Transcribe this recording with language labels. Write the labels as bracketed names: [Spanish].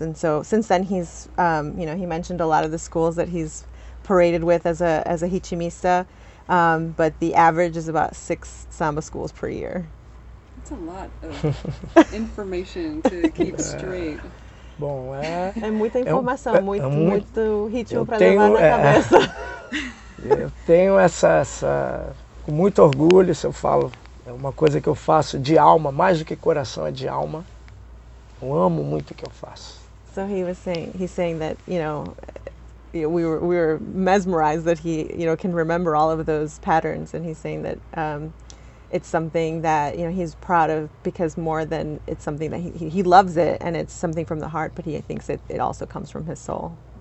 [English] And so since then he's, you know, he mentioned a lot of the schools that he's paraded with as a Hichimista. But the average is about 6 samba schools per year. That's a lot of information to keep straight. [Portuguese] Bom, é... É muita informação, muito ritmo para levar na cabeça. Eu tenho essa... com muito orgulho, se eu falo, é uma coisa que eu faço de alma, mais do que coração, é de alma. Eu amo muito o que eu faço. [English] So he was saying, he's saying that, you know, we were mesmerized that he, you know, can remember all of those patterns, and he's saying that it's something that, you know, he's proud of, because more than it's something that he loves it, and it's something from the heart, but he thinks it, it also comes from his soul.